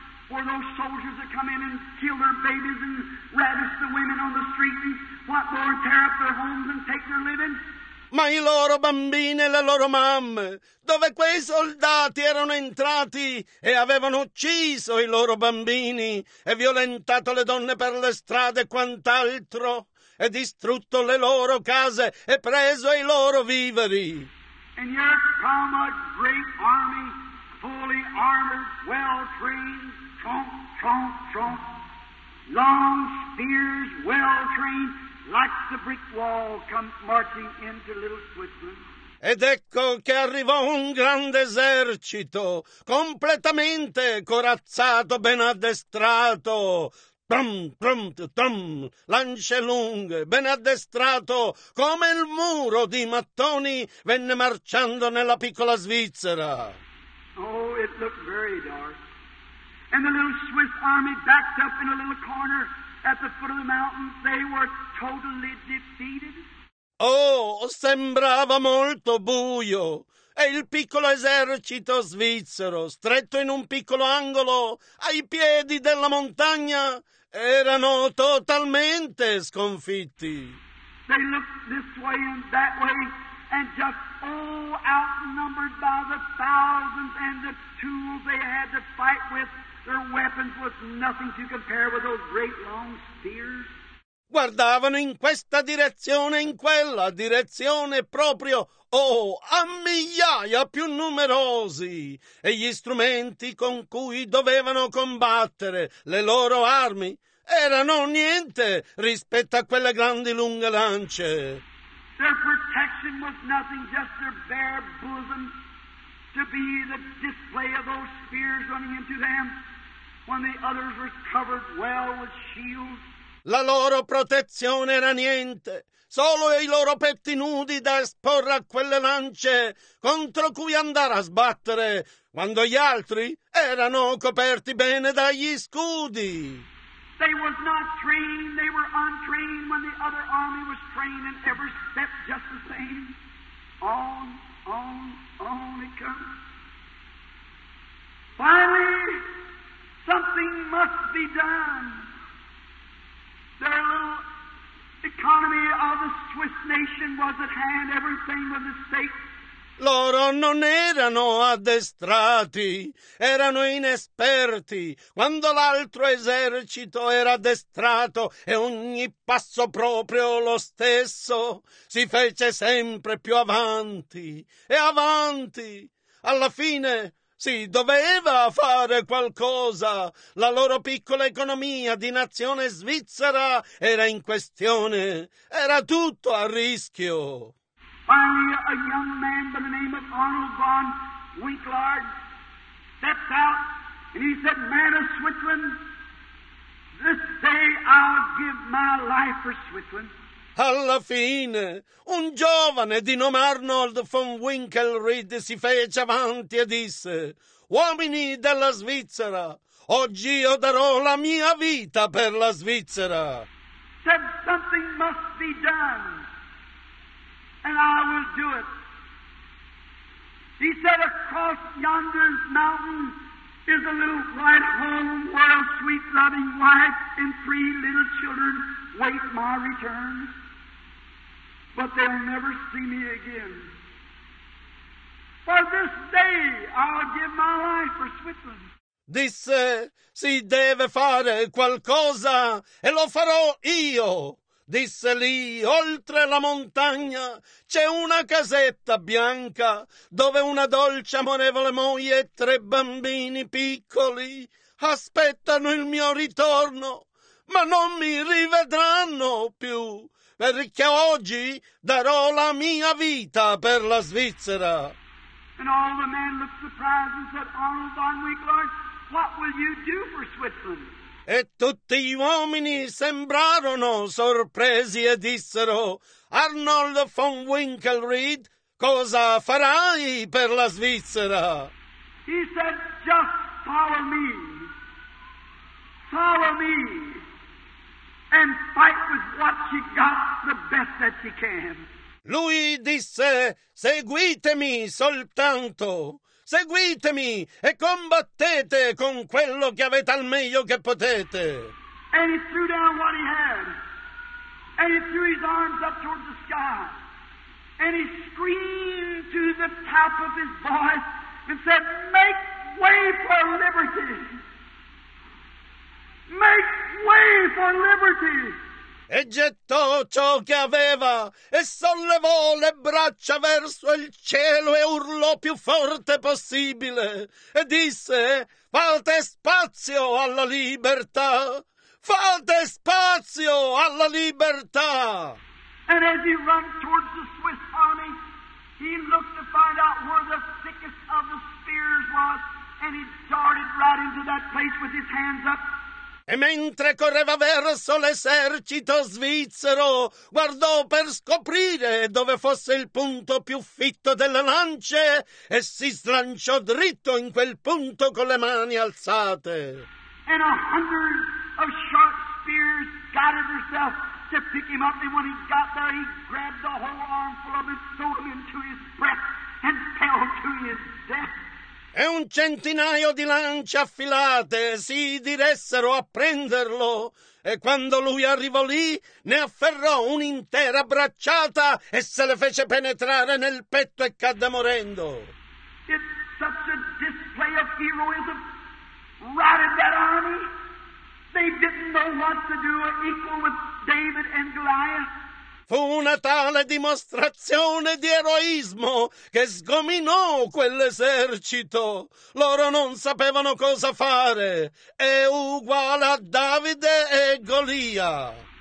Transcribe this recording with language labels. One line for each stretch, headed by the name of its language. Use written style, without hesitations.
English: Or those soldiers that come in and kill their babies and ravish the women on the streets and what more, tear up their homes and take their living?
Italian: Ma i loro bambini e le loro mamme, dove quei soldati erano entrati e avevano ucciso i loro bambini e violentato le donne per le strade e quant'altro e distrutto le loro case e preso i loro viveri.
English: And here come a great army, fully armored, well trained. Trump, Trump, Trump, long spears, well trained, like the brick wall, come marching into little Switzerland.
Italian: Ed ecco che arrivò un grande esercito, completamente corazzato, ben addestrato. Tum, tum, tum, lance lunghe, ben addestrato, come il muro di mattoni, venne marciando nella piccola Svizzera.
English: Oh, it looked very dark. And the little Swiss army backed up in a little corner at the foot of the mountain. They were totally defeated.
Italian: Oh, sembrava molto buio. E il piccolo esercito svizzero, stretto in un piccolo angolo, ai piedi della montagna, erano totalmente sconfitti.
English: They looked this way and that way, and just all outnumbered by the thousands and the tools they had to fight with. Their weapons was nothing to compare with those great long spears.
Italian: Guardavano in questa direzione, in quella direzione, proprio, oh, a migliaia più numerosi. E gli strumenti con cui dovevano combattere, le loro armi, erano niente rispetto a quelle grandi lunghe lance.
English: Their protection was nothing, just their bare bosom to be the display of those spears running into them. When the others were covered well with shields.
Italian: La loro protezione era niente, solo i loro petti nudi da esporre a quelle lance contro cui andare a sbattere, quando gli altri erano coperti bene dagli scudi.
English: They was not trained, they were untrained when the other army was trained and every step just the same. On, on, on it comes. Finally, something must be done. Their little economy of the Swiss nation was at hand. Everything was at stake.
Italian: Loro non erano addestrati, erano inesperti. Quando l'altro esercito era addestrato e ogni passo proprio lo stesso, si fece sempre più avanti e avanti. Alla fine si doveva fare qualcosa. La loro piccola economia di nazione svizzera era in questione. Era tutto a rischio.
English: Finally, a young man by the name of Arnold von Winklard stepped out and he said, "Man of Switzerland, this day I'll give my life for Switzerland."
Italian: Alla fine, un giovane di nome Arnold von Winkelried si fece avanti e disse: "Uomini della Svizzera, oggi io darò la mia vita per la Svizzera."
English: Said something must be done, and I will do it. He said, "Across yonder mountain is a little white home where a sweet loving wife and three little children wait my return. But they'll never see me again. For this day, I'll give my life. for Switzerland.
Italian: Disse, si deve fare qualcosa e lo farò io. Disse lì, oltre la montagna, c'è una casetta bianca dove una dolce amorevole moglie e tre bambini piccoli aspettano il mio ritorno, ma non mi rivedranno più, perché oggi darò la mia vita per la Svizzera.
English: And all the men looked surprised and said, Arnold von Winkler, what will you do for Switzerland?
Italian: E tutti gli uomini sembrarono sorpresi e dissero, Arnold von Winkelried, cosa farai per la Svizzera?
English: He said, just follow me. Follow me. And fight with what you got the best that you can.
Italian: Lui disse, seguitemi soltanto. Seguitemi e combattete con quello che avete al meglio che potete.
English: And he threw down what he had. And he threw his arms up towards the sky. And he screamed to the top of his voice and said, make way for liberty. Make way for liberty.
Italian: E gettò ciò che aveva e sollevò le braccia verso il cielo e urlò più forte possibile e disse, fate spazio alla libertà, fate spazio alla libertà.
English: And as he ran towards the Swiss army, he looked to find out where the thickest of the spears was and he darted right into that place with his hands up.
Italian: E mentre correva verso l'esercito svizzero, guardò per scoprire dove fosse il punto più fitto delle lance e si slanciò dritto in quel punto con le mani alzate.
English: And a hundred of sharp spears guided herself to pick him up, and when he got there, he grabbed the whole armful of it, threw him into his breast, and fell to his death.
Italian: E un centinaio di lance affilate si diressero a prenderlo, e quando lui arrivò lì, ne afferrò un'intera bracciata e se le fece penetrare nel petto e cadde morendo.
English: It's such a display of heroism. Routed that army. They didn't know what to do, equal with David and Goliath.
Italian: Fu una tale dimostrazione di eroismo che sgominò quell'esercito. Loro non sapevano cosa fare. È uguale a Davide e Golia.